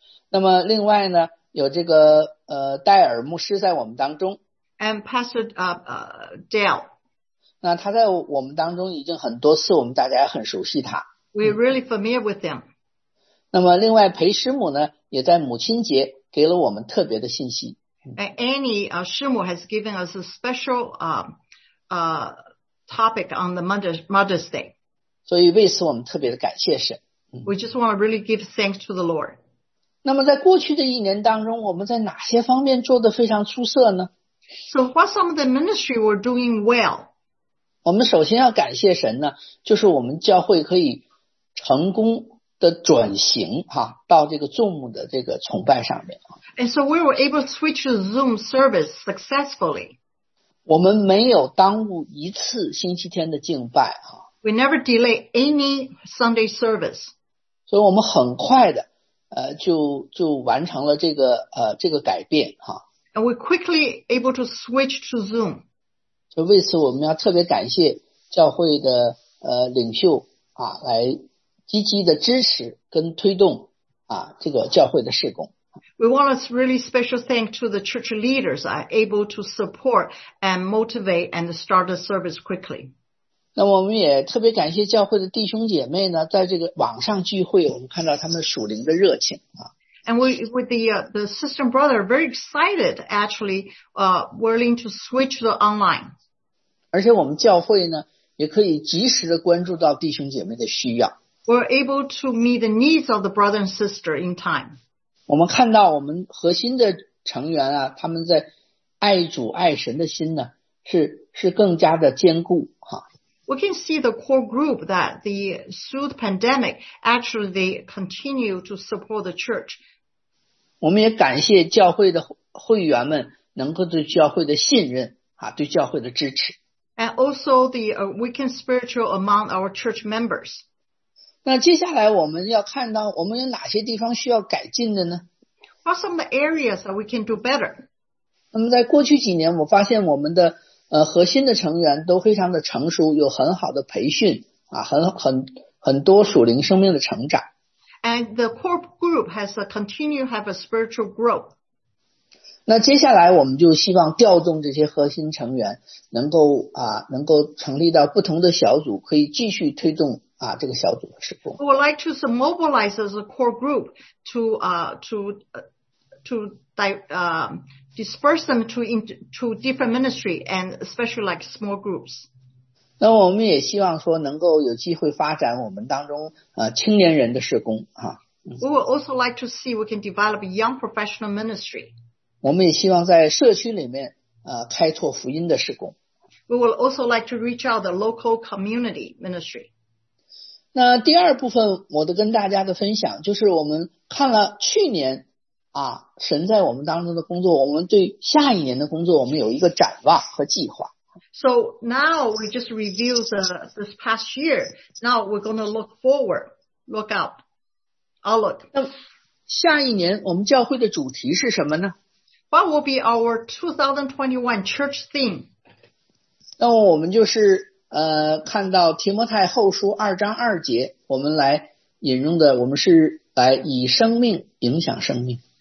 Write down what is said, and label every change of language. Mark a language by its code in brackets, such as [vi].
[zh] 那么另外呢，有这个戴尔牧师在我们当中。 [en] And Pastor Dale. [zh] 那他在我们当中已经很多次，我们大家很熟悉他。 [en] We're really familiar with them. [zh] 那么另外裴师母呢，也在母亲节给了我们特别的信息。 [en] And Annie 师母 has given us a special topic on the Mother's Day. [zh] 所以为此我们特别的感谢神。 [en] We just want to really give thanks to the Lord. [zh] 那么在过去的一年当中，我们在哪些方面做得非常出色呢？ [en] So what some of the ministry were doing well? [zh] 我们首先要感谢神呢，就是我们教会可以成功的转型哈，到这个 Zoom 的这个崇拜上面。 [en] And so we were able to switch to Zoom service successfully. [zh] 我们没有耽误一次星期天的敬拜。 [en] We never delay any Sunday service. [zh] 所以我们很快的就完成了这个改变。 [en] And we quickly able to switch to Zoom. [zh] 所以为此我们要特别感谢教会的领袖啊，来积极的支持跟推动啊这个教会的事工。 [en] We want a really special thank to the church leaders are able to support and motivate and start the service quickly. [zh] 那我们也特别感谢教会的弟兄姐妹呢，在这个网上聚会，我们看到他们属灵的热情啊。 [en] And we with the sister and brother are very excited actually willing to switch to online. [zh] 而且我们教会呢，也可以及时的关注到弟兄姐妹的需要。 [en] We're able to meet the needs of the brother and sister in time. [zh] 我们看到我们核心的成员啊，他们在爱主爱神的心呢，是更加的坚固哈。 [en] We can see the core group that the through the pandemic actually they continue to support the church. [zh] 我们也感谢教会的会员们能够对教会的信任啊，对教会的支持。 [en] And also the weakened spiritual among our church members. [zh] 那接下来我们要看到我们有哪些地方需要改进的呢？ [en] What are some of the areas that we can do better? [zh] 那么在过去几年我发现我们的核心的成员都非常的成熟，有很好的培训啊，很多属灵生命的成长。 [en] And the core group has continued to have a spiritual growth. [zh] 那接下来我们就希望调动这些核心成员能够能够成立到不同的小组，可以继续推动这个小组的事工。 [en] I would like to mobilize as a core group to disperse them to different ministry and especially like small groups. [zh] 那我们也希望说能够有机会发展我们当中青年人的事工啊。 [en] We would also like to see we can develop a young professional ministry. [zh] 我们也希望在社区里面开拓福音的事工。 [en] We would also like to reach out the local community ministry. [zh] 那第二部分我的跟大家的分享就是我们看了去年神在我们当中的工作，我们对下一年的工作我们有一个展望和计划。 [en] So now we just review this past year. Now we're going to look forward, look out, outlook. [zh] 那下一年我们教会的主题是什么呢？ [en] What will be our 2021 church theme? [zh] 那我们就是看到提摩太后书二章二节，我们来引用的，我们是来以生命影响生命。